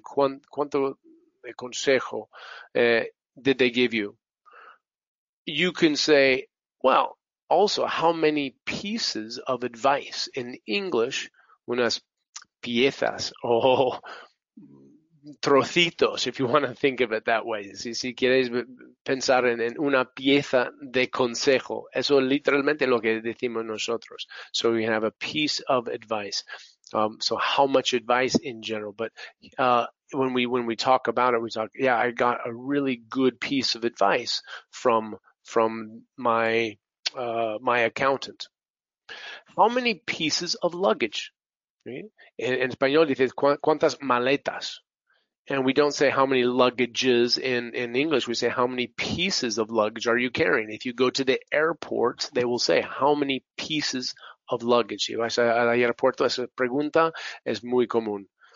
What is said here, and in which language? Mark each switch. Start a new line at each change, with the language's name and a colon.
Spanish: ¿Cuánto consejo
English: did they give you? You can say, well, also, how many pieces of advice? In English,
Spanish: unas piezas,
English: or trocitos, if you want to think of it that way.
Spanish: Si quieres pensar en una pieza de consejo, eso es literalmente lo que decimos nosotros.
English: So we have a piece of advice. So how much advice in general? But when we talk about it, we talk, yeah, I got a really good piece of advice from my accountant. How many pieces of luggage? In español dices
Spanish: cuántas maletas,
English: and we don't say how many luggages in English. We say how many pieces of luggage are you carrying. If you go to the airport, they will say how many pieces of luggage.
Spanish: Si vas al aeropuerto, esa pregunta es muy común.